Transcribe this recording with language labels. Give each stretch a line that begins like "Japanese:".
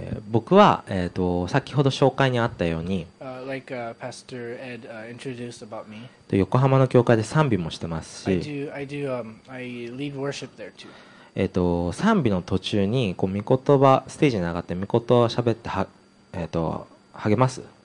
Japanese: 僕は先ほど紹介にあったように、
English: like Pastor Ed introduced about me.
Japanese: 横浜の教会で賛美もしてますし。
English: I lead worship there too.
Japanese: 賛美の途中にこう御言葉ステージに上がって御言葉をしゃべっては、励ます。